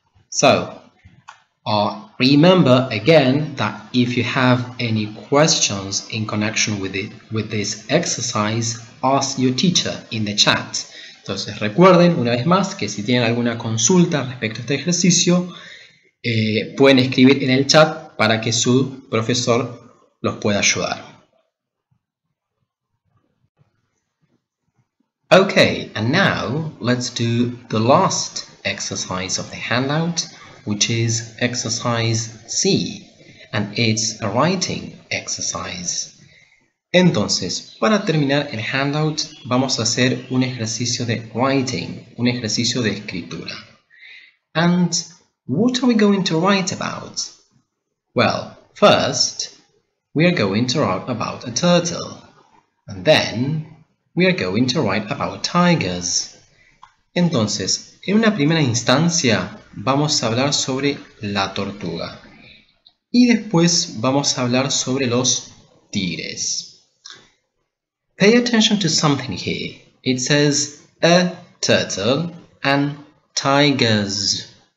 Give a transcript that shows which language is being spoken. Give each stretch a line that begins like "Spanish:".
English: So remember again that if you have any questions in connection with it, with this exercise, ask your teacher in the chat.
Spanish: Entonces recuerden una vez más que si tienen alguna consulta respecto a este ejercicio, pueden escribir en el chat para que su profesor los pueda ayudar.
English: Okay, and now let's do the last exercise of the handout, which is exercise C, and it's a writing exercise.
Spanish: Entonces, para terminar el handout, vamos a hacer un ejercicio de writing, un ejercicio de escritura.
English: And what are we going to write about? Well, first, we are going to write about a turtle. And then, we are going to write about tigers.
Spanish: Entonces, en una primera instancia, vamos a hablar sobre la tortuga. Y después vamos a hablar sobre los tigres.
English: Pay attention to something here. It says a turtle and tigers.